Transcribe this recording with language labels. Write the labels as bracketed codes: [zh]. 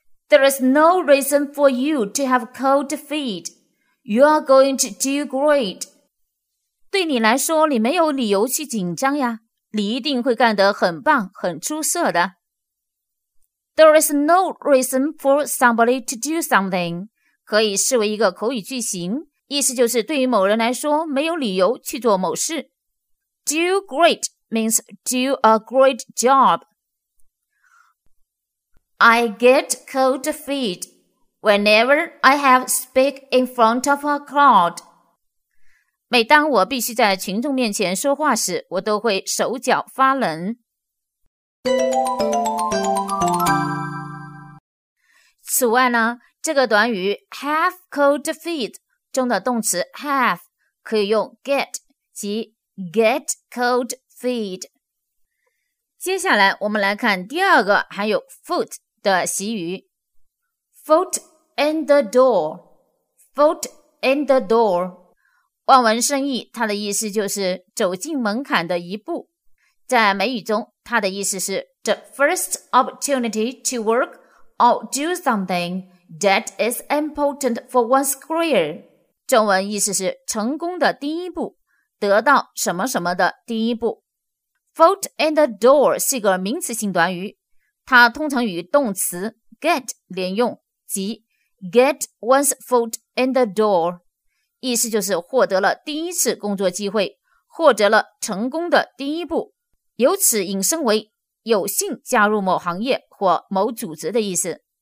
[en] There is no reason for you to have cold feet. You are going to do great. [zh] 对你来说你没有理由去紧张呀。你一定会干得很棒很出色的。 [en] There is no reason for somebody to do something. [zh] 可以视为一个口语句型意思就是对于某人来说没有理由去做某事。 [en] Do great means do a great job. I get cold feet whenever I have speak in front of a crowd. [zh] 每当我必须在群众面前说话时，我都会手脚发冷。此外呢，这个短语 have cold feet 中的动词 have 可以用 get 即 [en] Get cold feet. [zh] 接下来我们来看第二个含有 foot 的习语。 [en] Foot in the door. Foot in the door. [zh] 望文生义它的意思就是走进门槛的一步。在美语中它的意思是 [en] The first opportunity to work or do something that is important for one's career. [zh] 中文意思是成功的第一步。得到什么什么的第一步 Foot in the door 是个名词性短语它通常与动词 get 连用即 [en] get one's foot in the door [zh] 意思就是获得了第一次工作机会获得了成功的第一步由此引申为有幸加入某行业或某组织的意思